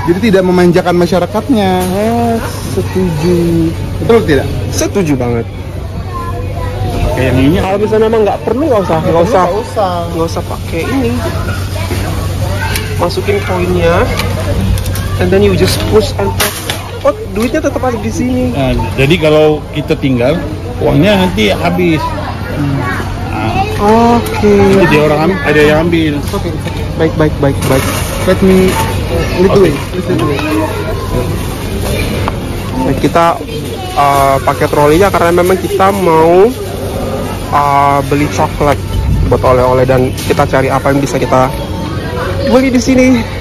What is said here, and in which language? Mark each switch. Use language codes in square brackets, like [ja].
[id] Jadi tidak memanjakan masyarakatnya. Setuju. Betul tidak? Setuju banget. Kayak ini. Kalau misalnya memang nggak perlu, nggak usah pakai ini. Masukin koinnya, [en] and then you just push and press. [id] Oh, duitnya tetap ada di sini. Nah, jadi kalau kita tinggal, uangnya nanti habis. Oke. [en] Okay. [id] Jadi orang ada yang ambil. [en] Oke. Okay. Baik. Let me do it. Okay. [id] Nah, kita pakai trolinya karena memang kita mau beli coklat buat oleh-oleh, dan kita cari apa yang bisa kita beli di sini.